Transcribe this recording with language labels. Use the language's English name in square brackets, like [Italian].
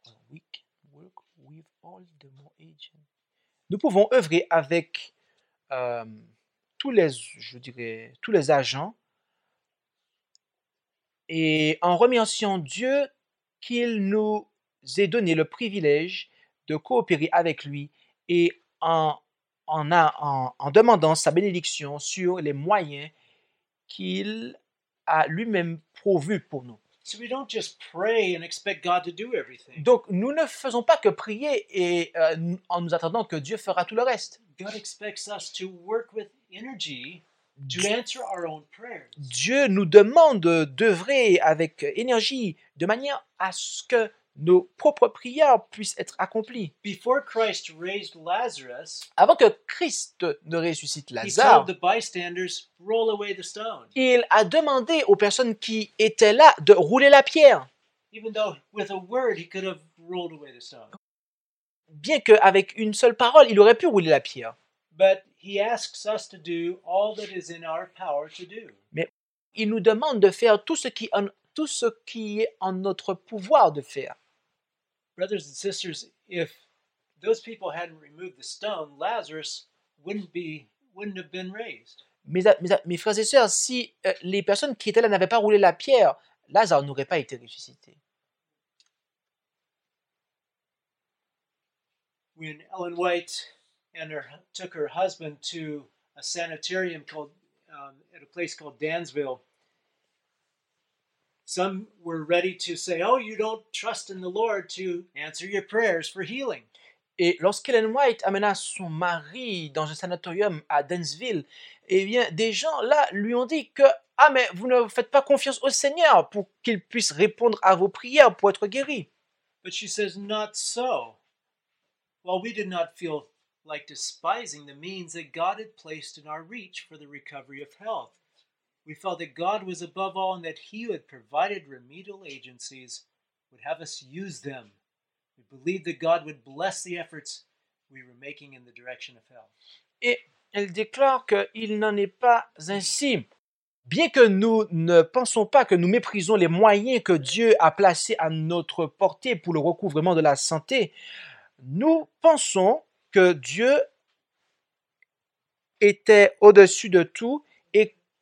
[English] We can work with all the more agents. [French] Nous pouvons œuvrer avec tous les agents. Et en remerciant Dieu qu'il nous ait donné le privilège de coopérer avec lui et en demandant sa bénédiction sur les moyens qu'il a lui-même pourvus pour nous. [English] So we don't just pray and expect God to do everything. [French] Donc nous ne faisons pas que prier et en nous attendant que Dieu fera tout le reste. [English] God expects us to work with energy. To answer our own prayers. [French] Dieu nous demande d'œuvrer avec énergie, de manière à ce que nos propres prières puissent être accomplies. [English] Before Christ raised Lazarus, [French] avant que Christ ne ressuscite Lazare, [English] he told the bystanders, roll away the stone. [French] Il a demandé aux personnes qui étaient là de rouler la pierre. [English] Even though with a word, he could have rolled away the stone. [French] Bien qu'avec une seule parole, il aurait pu rouler la pierre. [English] But he asks us to do all that is in our power to do. [French] Mais il nous demande de faire tout ce qui est en notre pouvoir de faire. [English] Brothers and sisters, if those people hadn't removed the stone, Lazarus wouldn't have been raised. [French] Mes frères et sœurs, si les personnes qui étaient là n'avaient pas roulé la pierre, Lazare n'aurait pas été ressuscité. [English] When Ellen White and took her husband to a sanitarium at a place called Dansville. Some were ready to say, "Oh, you don't trust in the Lord to answer your prayers for healing." [French] Et lorsqu'Ellen White amena son mari dans un sanatorium à Dansville, eh bien, des gens là lui ont dit que, ah, mais vous ne faites pas confiance au Seigneur pour qu'il puisse répondre à vos prières pour être guéri. [English] But she says, "Not so." While we did not feel like despising the means that God had placed in our reach for the recovery of health, we felt that God was above all and that He who had provided remedial agencies would have us use them. We believed that God would bless the efforts we were making in the direction of health. [French] Et elle déclare qu'il n'en est pas ainsi. Bien que nous ne pensons pas que nous méprisons les moyens que Dieu a placés à notre portée pour le recouvrement de la santé, nous pensons que Dieu était au-dessus de tout et